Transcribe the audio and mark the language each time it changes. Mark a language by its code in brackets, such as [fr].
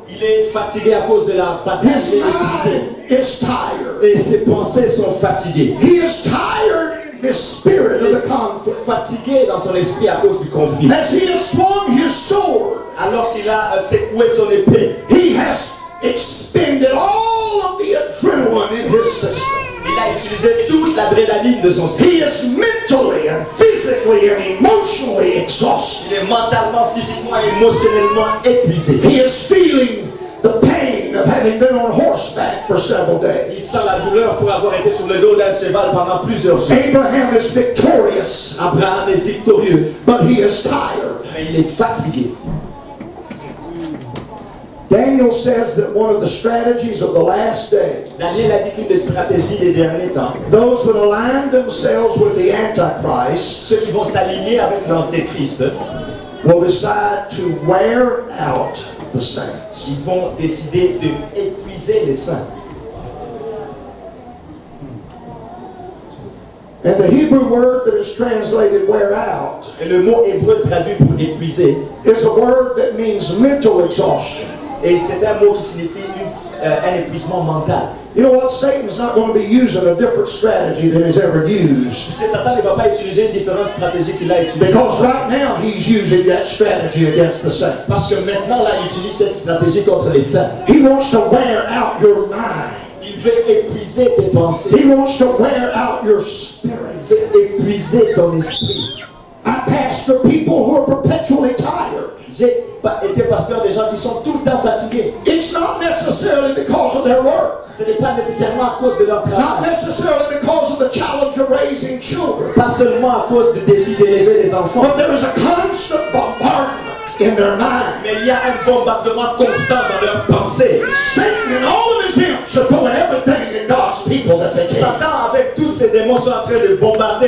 [fr] Il est fatigué à cause de la bataille. [en] His mind is tired. [fr] Et ses pensées sont fatiguées. [en] He is tired. His spirit of the conflict. [fr] Fatigué dans son esprit à cause du conflit. [en] As he has swung his sword, [fr] alors qu'il a secoué son épée, [en] he has expended all of the adrenaline in his system. [fr] Il a utilisé toute l'adrénaline de son système. [en] He is mentally and physically and emotionally exhausted. [fr] Il est mentalement, physiquement et émotionnellement épuisé. [en] He is feeling the pain of having been on horseback for several days. [fr] Il sent la douleur pour avoir été sur le dos d'un cheval pendant plusieurs jours. [en] Abraham is victorious. [fr] Abraham est victorieux. [en] But he is tired. [fr] Mais il est fatigué. [en] Daniel says that one of the strategies of the last day. [fr] Daniel a dit qu'une des stratégies des derniers temps. [en] Those that align themselves with the Antichrist. [fr] Ceux qui vont s'aligner avec l'Antéchrist. [en] Will decide to wear out the saints. [fr] Ils vont décider de épuiser les saints. [en] And the Hebrew word that is translated wear out. [fr] Et le mot hébreu traduit pour épuiser. [en] Is a word that means mental exhaustion. [fr] Et c'est un mot qui signifie un épuisement mental. [en] You know what? Satan's not going to be using a different strategy than he's ever used. [fr] Tu sais, Satan ne va pas utiliser une différente stratégie qu'il a utilisée. [en] Because right now he's using that strategy against the saints. [fr] Parce que maintenant là, il utilise cette stratégie contre les saints. [en] He wants to wear out your mind. [fr] Il veut épuiser tes pensées. [en] He wants to wear out your spirit. [fr] Il veut épuiser ton esprit. [en] I pastor people who are perpetually tired. [fr] J'ai été pasteur des gens qui sont tout le temps fatigués. [en] It's not necessarily because of their work. [fr] Ce n'est pas nécessairement à cause de leur travail. [en] Not necessarily because of the challenge of raising children. [fr] Pas seulement à cause du défi d'élever les enfants. [en] But there is a constant bombardment in their mind. [fr] Mais il y a un bombardement constant dans leurs pensées. [en] Satan and all of his imps are throwing everything in God's people that they can. [fr] Satan avec tous ses démons sont en train de bombarder.